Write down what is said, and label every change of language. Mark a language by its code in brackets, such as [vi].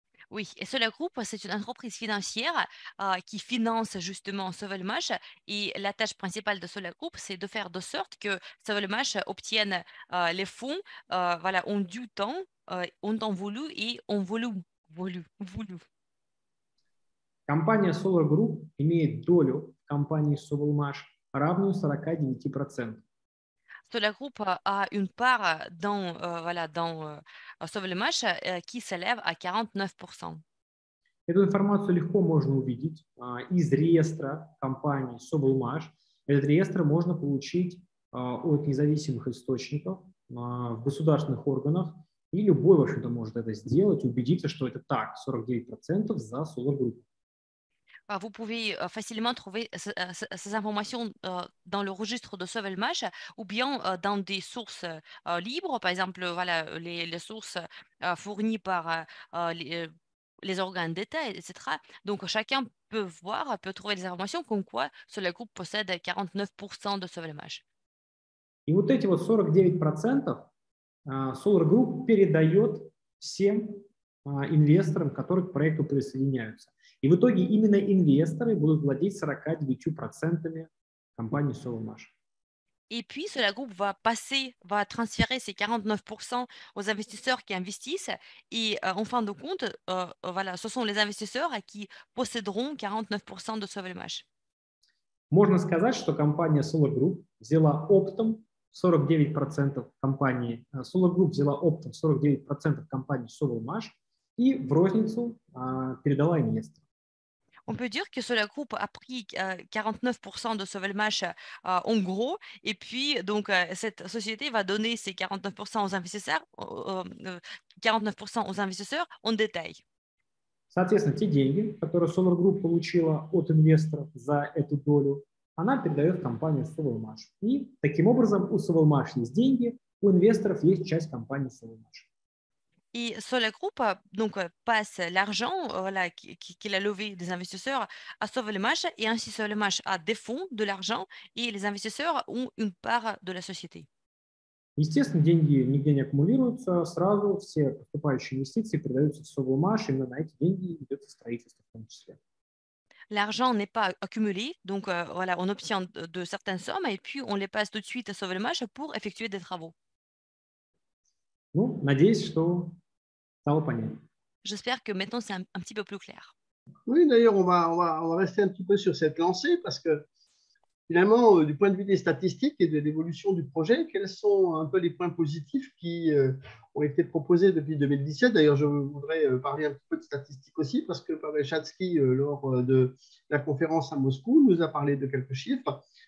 [fr] Oui, et Solar Group, c'est une entreprise financière qui finance justement Sovelmash. Et la tâche principale de Solar Group, c'est de faire de sorte que Sovelmash obtienne les fonds voilà, en due temps, en temps voulu et en volume. [ru] Компания Solar Group имеет долю компании Sovelmash равную 49%. [fr] Solar Group a une part dans, voilà, dans Sovelmash qui s'élève à 49%. [ru] Эту информацию легко можно увидеть из реестра компании Sovelmash. Этот реестр можно получить от независимых источников в государственных органах, и любой, в общем-то, может это сделать, убедиться, что это так, 49% за Solar Group. [fr] Vous pouvez facilement trouver ces informations dans le registre de Sovelmash ou bien dans des sources libres, par exemple, voilà, les sources fournies par les organes d'État, etc. Donc, chacun peut voir, peut trouver des informations comme quoi Solar Group possède 49% de Sovelmash. [ru] И вот эти вот 49% Solar Group передает всем инвесторам, которые к проекту присоединяются. И в итоге именно инвесторы будут владеть 49% компании Solmash. [fr] Et puis, cela groupe va transférer ces 49% aux investisseurs qui investissent. Et en fin de compte, voilà, ce sont les investisseurs qui posséderont 49% de Sovelmash. [ru] Можно сказать, что компания Solar Group взяла оптом 49% компании Solar Group взяла оптом 49% компании Sovelmash и в розницу передала инвесторам. [fr] On peut dire que Solar Group a pris 49% de Sovelmash en gros, et puis donc cette société va donner ses 49% aux investisseurs, 49% aux investisseurs en détail. [ru] Соответственно, те деньги, которые Solar Group получила от инвесторов за эту долю, она передает компании Sovelmash. И таким образом у Sovelmash есть деньги, у инвесторов есть часть компании Sovelmash. [fr] Et Solar Group donc passe l'argent voilà qu'il a levé des investisseurs à Sovelmash et ainsi Sovelmash a des fonds de l'argent et les investisseurs ont une part de la société. [ru] Естественно, деньги нигде не аккумулируются, сразу все поступающие инвестиции передаются в Sovelmash, именно на эти деньги идет строительство в том числе. [fr] L'argent n'est пas accumulé, donc voilà, on obtient de certaines sommes et puis on les passe tout de suite à Sovelmash pour effectuer des travaux. [ru] Ну, надеюсь, что стало понятно. [fr] J'espère que maintenant c'est un petit peu plus clair. Oui, d'ailleurs, on va rester un petit peu sur cette lancée parce que finalement, du point de vue des statistiques et de l'évolution du projet, quels sont un peu les points positifs qui ont été proposés depuis 2017? D'ailleurs, je voudrais parler un petit peu de statistiques aussi parce que Pavel Chatzky, lors de la conférence à Moscou, nous a parlé de quelques chiffres.